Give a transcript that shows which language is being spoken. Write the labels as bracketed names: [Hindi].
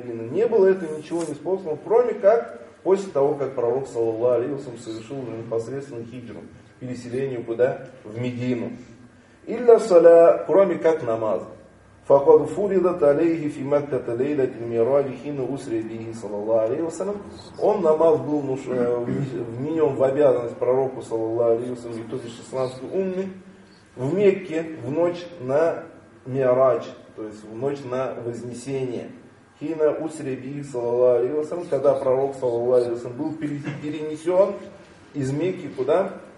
[Russian] Не было это ничего не способно, кроме как после того, как пророк саллаллаху алейхи ва саллям совершил уже непосредственно хиджру, переселение куда? В Медину. [Arabic] Илля саля, [Russian] кроме как намаз. [Arabic] فقد فرضت عليه في مكة ليلة الميراج حين أسر به صلى الله عليه وسلم. [Russian] Он намаз был вменён в обязанность пророку صلى الله عليه وسلم и то есть 16 умми в Мекке в ночь на Мираж, то есть в ночь на Вознесение. [Arabic] Хина усреби саллаллаху алейхи ва саллям, [Russian] когда пророк саллаллаху алейхи ва саллям был перенесен из Мекки куда?